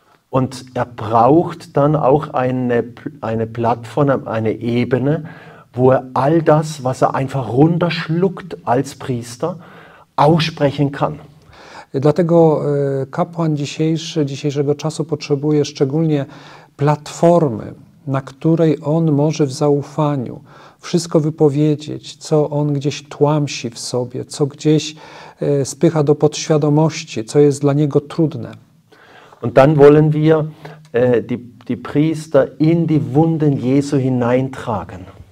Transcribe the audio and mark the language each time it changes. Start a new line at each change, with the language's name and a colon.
German: Und braucht dann auch eine Plattform, eine Ebene, wo all das, was einfach runterschluckt als Priester, aussprechen kann.
Polish: Dlatego kapłan dzisiejszego czasu potrzebuje szczególnie platformy, na której on może w zaufaniu wszystko wypowiedzieć, co on gdzieś tłamsi w sobie, co gdzieś spycha do podświadomości, co jest dla niego trudne.
German: Und dann wollen wir die Priester in die Wunden Jesu hineintragen.